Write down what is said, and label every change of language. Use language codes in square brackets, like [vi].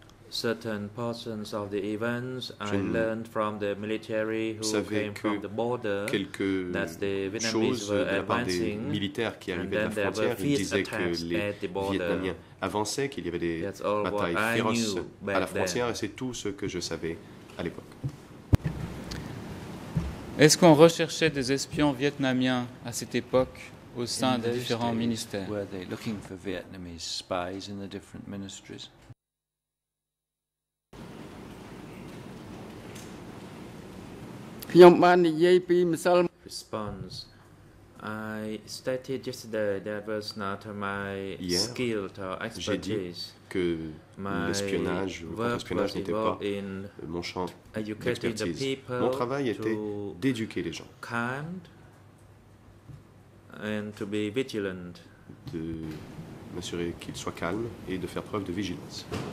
[en] Certain portions of the events I learned from the military who came from the border. [fr] Quelques choses de la part des militaires qui arrivaient de la frontière, ils disaient que les Vietnamiens avançaient, qu'il y avait des batailles féroces à la frontière, et c'est tout ce que je savais à l'époque. Est-ce qu'on recherchait des espions vietnamiens à cette époque au sein des différents ministères? [en] Were they looking for Vietnamese spies in the different ministries? Response. I stated yesterday that was not my skill or expertise. [fr] J'ai dit que l'espionnage ou contre-espionnage n'était pas mon champ d'expertise. Mon travail était d'éduquer les gens, [en] and to be vigilant. [fr] De m'assurer qu'ils soient calmes et de faire preuve de vigilance.